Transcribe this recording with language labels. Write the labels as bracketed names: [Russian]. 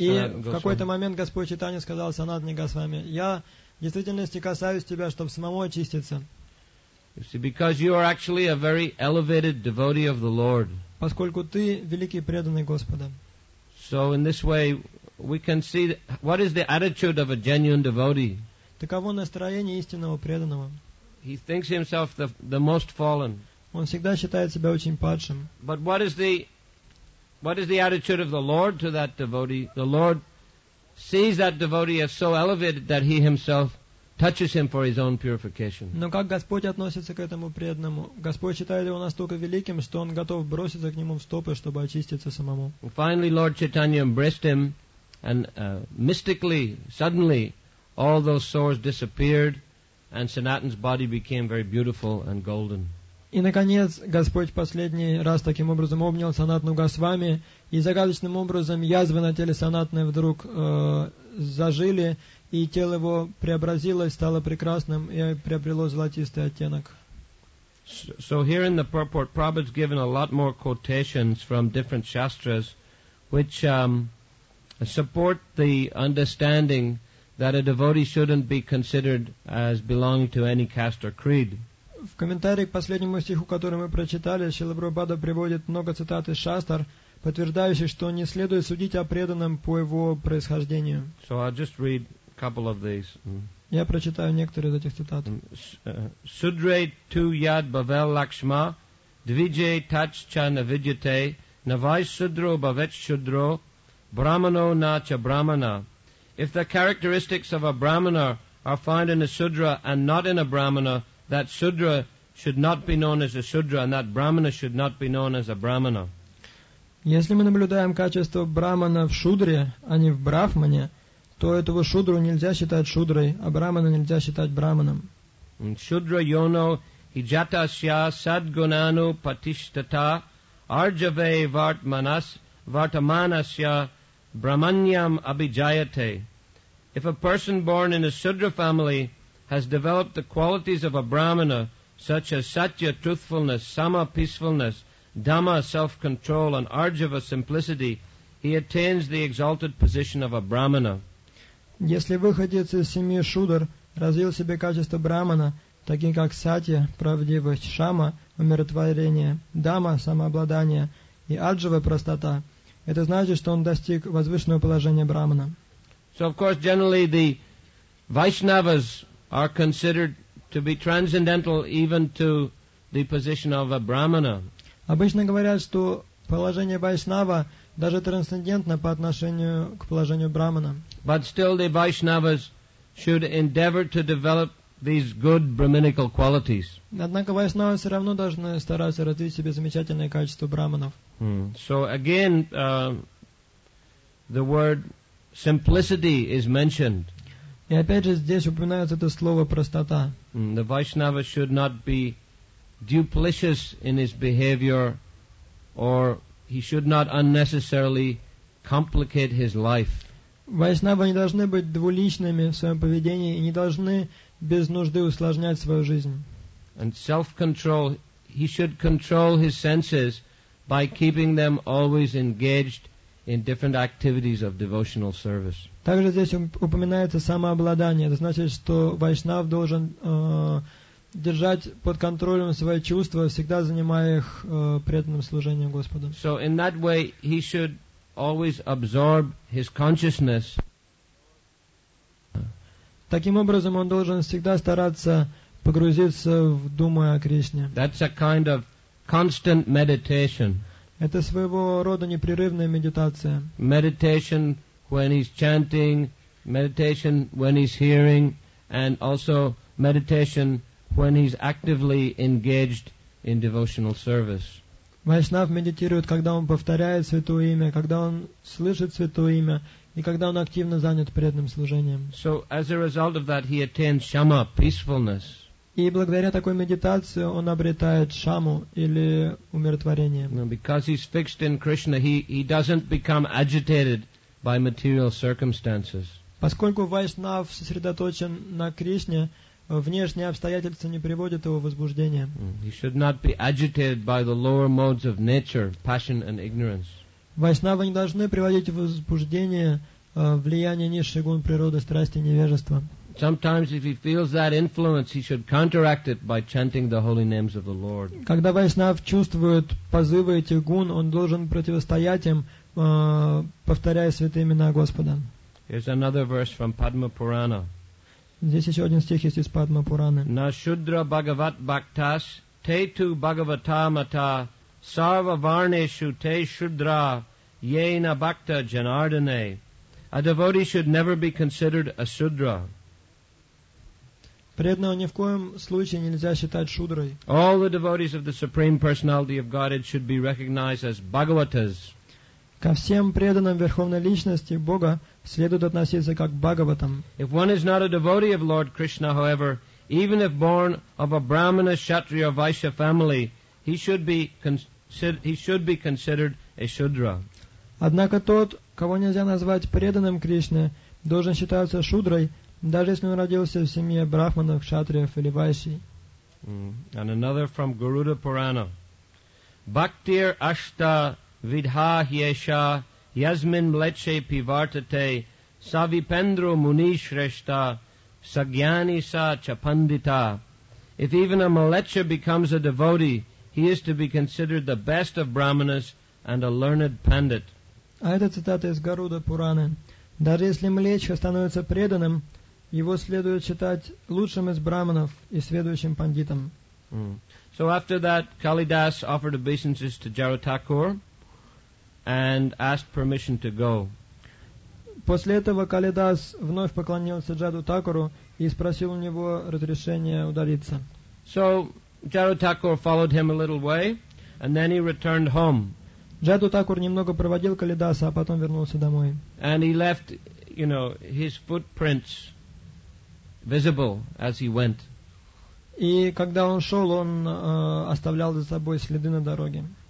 [Russian] Sanatana Goswami. И в какой-то момент Господь Чайтанья сказал Санатане Госвами, я в действительности касаюсь тебя, чтобы самому очиститься. [English] You see, because you are actually a very elevated devotee of the Lord. [Russian] Поскольку ты великий преданный Господа. [English] So in this way, we can see what is the attitude of a genuine devotee. [Russian] Таково настроение истинного преданного. [English] He thinks himself the most fallen. [Russian] Он всегда считает себя очень падшим. [English] But what is the attitude of the Lord to that devotee? The Lord sees that devotee as so elevated that he himself touches him for his own purification. [Russian] Но как Господь относится к этому преданному? Господь считает его настолько великим, что он готов броситься к нему в стопы, чтобы очиститься самому. [English] And finally, Lord Chaitanya embraced him, and mystically, suddenly, all those sores disappeared, and Sanatan's body became very beautiful and golden. [Russian] И, наконец, Господь в последний раз таким образом обнял Санатану Госвами, и загадочным образом язвы на теле Санатаны вдруг зажили, и тело его преобразилось, стало прекрасным и приобрело золотистый оттенок. [English] So here in the purport, Prabhupada's given a lot more quotations from different shastras, which support the understanding that a devotee shouldn't be considered as belonging to any caste or creed. [Russian] В комментарии к последнему стиху, который мы прочитали, Шрила Прабхупада приводит много цитат из шастр, подтверждающих, что не следует судить о преданном по его происхождению. [English] So I'll just read a couple of these. [Russian] Я прочитаю некоторые из этих цитат. [Sanskrit] Судре ту яд бавел лакшма, двиджей тач ча навидьете, навай судро бавеч судро, брамано на ча брамана. [English] If the characteristics of a brahmana are found in a sudra and not in a brahmana, that sudra should not be known as a sudra, and that brahmana should not be known as a brahmana. [Russian] Если мы наблюдаем качество брахмана в шудре, а не в брахмане, то этого шудру нельзя считать шудрой, а брахмана нельзя считать брахманом. [Sanskrit] Шудра йоно хиджатасья садгунану патиштата арджаве вартаманасья брахманьям абиджаяте. [English] If a person born in a sudra family has developed the qualities of a brahmana, such as satya, truthfulness, sama, peacefulness, dhamma, self-control, and arjava, simplicity, he attains the exalted position of a brahmana. [Russian] Если выходец из семьи шудр развил себе качества брахмана, такие как сатья, правдивость, шама, умиротворение, дхамма, самообладание, и арджава, простота, это значит, что он достиг возвышенного положения брахмана. [English] So, of course, generally the Vaishnavas are considered to be transcendental even to the position of a brahmana. [Russian] Обычно говорят, что положение вайшнава даже трансцендентно по отношению к положению брахмана. [English] But still the Vaishnavas should endeavor to develop these good brahminical qualities. [Russian] Однако вайшнавы все равно должны стараться развить в себе замечательные качества брахманов. [English] So again, the word simplicity is mentioned. [Russian] И опять же здесь упоминается это слово простота. [English] The Vaishnava should not be duplicitous in his behavior, or he should not unnecessarily complicate his life. [Russian] Вайшнавы не должны быть двуличными в своем поведении и не должны без нужды усложнять свою жизнь. [English] And self-control, he should control his senses by keeping them always engaged in different activities of devotional service. [Russian] Также здесь упоминается самообладание. Это значит, что вайшнав должен держать под контролем свои чувства, всегда занимая их преданным служением Господу. [English] So in that way, he should always absorb his consciousness. [Russian] Таким образом, он должен всегда стараться погрузиться в думу о Кришне. [English] That's a kind of constant meditation. [Russian] Это своего рода непрерывная медитация. [English] Meditation when he's chanting, meditation when he's hearing, and also meditation when he's actively engaged in devotional service. [Russian] Вайшнав медитирует, когда он повторяет святое имя, когда он слышит святое имя и когда он активно занят преданным служением. [English] So as a result of that, he attains shama, peacefulness. [Russian] И благодаря такой медитации он обретает шаму или умиротворение. [English] No, because he's fixed in Krishna, he doesn't become agitated by material circumstances. [Russian] Поскольку вайшнав сосредоточен на Кришне, внешние обстоятельства не приводят его в возбуждение. [English] He should not be agitated by the lower modes of nature, passion and ignorance. [Russian] Вайшнавы не должны приводить в возбуждение влияние низших гун природы, страсти и невежества. [English] Sometimes if he feels that influence, he should counteract it by chanting the holy names of the Lord. [Russian] Когда вайшнав чувствует позывы этих гун, он должен противостоять им, повторяя святые имена Господа. [English] Here's another verse from Padma Purana. [Russian] Здесь еще один стих есть из Падма Пураны. [Sanskrit] На шудра бхагават бхактас те ту бхагавата мата сарва варнешу те шудра йена бхакта джанардане. [English] A devotee should never be considered a шудра. [Russian] Преданного ни в коем случае нельзя считать шудрой. [English] All the devotees of the Supreme Personality of Godhead should be recognized as бхагаватас. [Russian] Ко всем преданным Верховной Личности Бога следует относиться как к Бхагаватам. [English] If one is not a devotee of Lord Krishna, however, even if born of a Brahmana, Kshatriya or Vaishya family, he should be considered a Shudra. [Russian] Однако тот, кого нельзя назвать преданным Кришне, должен считаться Шудрой, даже если он родился в семье Брахманов, Кшатриев или Вайши. [English] And another from Garuda Purana. [Sanskrit] Bhaktir Ashta Vidha Hyesha Yasmin Mleche Pivartate Savipendro Muni Shreshta Sagyani Sa Chapandita. [English] If even a Mleche becomes a devotee, he is to be considered the best of Brahmanas and a learned pandit. [Russian] А это цитата из Гаруда Пураны. Даже если Млечха становится преданным, его следует считать лучшим из Брахманов и сведущим пандитом. [English] So after that, Kalidas offered obeisances to Jaratakur and asked permission to go. [Russian] После этого Калидас вновь поклонился Джаду Такуру и спросил у него разрешения удалиться. [English] So Джаду Такур followed him a little way, and then he returned home. [Russian] Джаду Такур немного проводил Калидаса, а потом вернулся домой. [English] And he left, you know, his footprints visible as he went. [Russian] И когда он шел, он оставлял за собой следы на дороге.